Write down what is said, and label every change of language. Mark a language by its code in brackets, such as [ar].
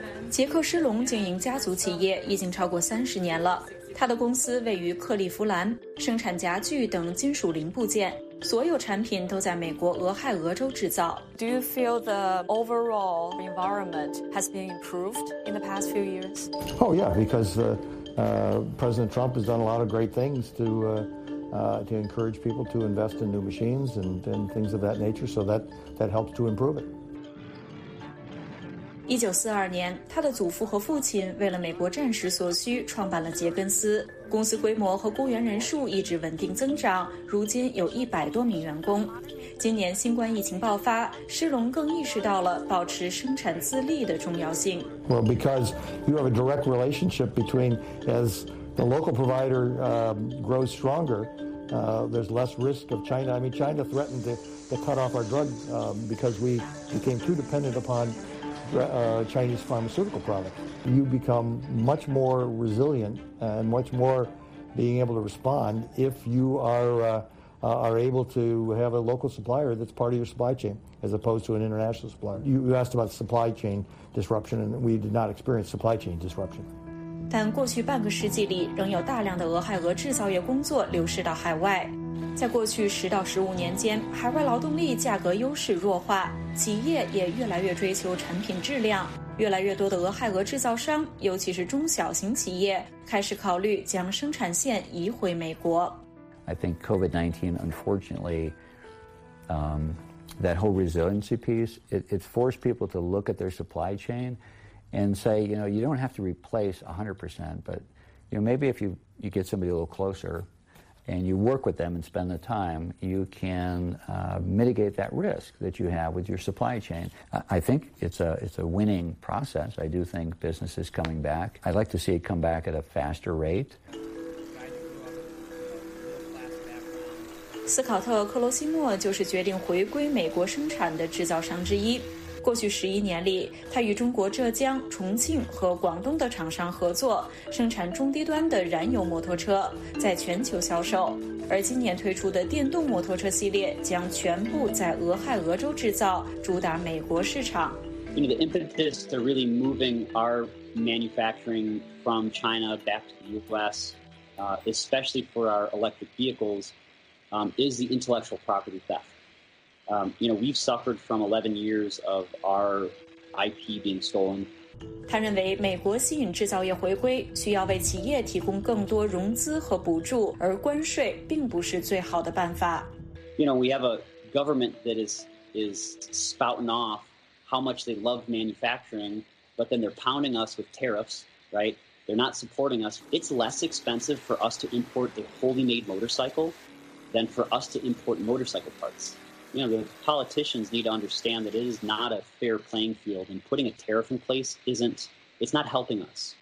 [zh] 杰克·施隆经营家族企业已经超过30年了，他的公司位于克利夫兰，生产家具等金属零部件，所有产品都在美国俄亥俄州制造。 [en] Do you feel the overall environment has been improved in the past few years? Oh yeah, because President Trump has done a lot of great things to encourage people to invest in new machines and things of that nature, so that helps to improve it. [zh] 1942年，他的祖父和父亲为了美国战时所需，创办了杰根斯公司，规模和雇员人数一直稳定增长，如今有100多名员工。今年新冠疫情爆发，施隆更意识到了保持生产自立的重要性。 [en] Well, because you have a direct relationship between as the local provider grows stronger, there's less risk of China. I mean, China threatened to cut off our drug because we became too dependent upon Chinese pharmaceutical product. You become much more resilient and much more being able to respond if you are able to have a local supplier that's part of your supply chain as opposed to an international supplier. You asked about supply chain disruption, and we did not experience supply chain disruption. [zh] 但过去半个世纪里，仍有大量的俄亥俄制造业工作流失到海外。在过去10到15年间，海外劳动力价格优势弱化，企业也越来越追求产品质量。越来越多的俄亥俄制造商，尤其是中小型企业，开始考虑将生产线移回美国。 [en] I think COVID-19, unfortunately, that whole resiliency piece, it forced people to look at their supply chain and say, you know, you don't have to replace 100%, but you know, maybe if you get somebody a little closer and you work with them and spend the time, you can mitigate that risk that you have with your supply chain. I think it's a winning process. I do think business is coming back. I'd like to see it come back at a faster rate. [zh] 斯考特·克罗西莫就是决定回归美国生产的制造商之一。过去11年里，他与中国浙江、重庆和广东的厂商合作，生产中低端的燃油摩托车，在全球销售。而今年推出的电动摩托车系列将全部在俄亥俄州制造，主打美国市场。 [en] You know, the impetus to really moving our manufacturing from China back to the U.S., especially for our electric vehicles. Is the intellectual property theft. You know, we've suffered from 11 years of our IP being stolen. [zh] 他认为美国吸引制造业回归需要为企业提供更多融资和补助，而关税并不是最好的办法。 [en] You know, we have a government that is spouting off how much they love manufacturing, but then they're pounding us with tariffs, right? They're not supporting us. It's less expensive for us to import a wholly made motorcycle. than for us to import motorcycle parts. You know, the politicians need to understand that it is not a fair playing field, and putting a tariff in place it's not helping us.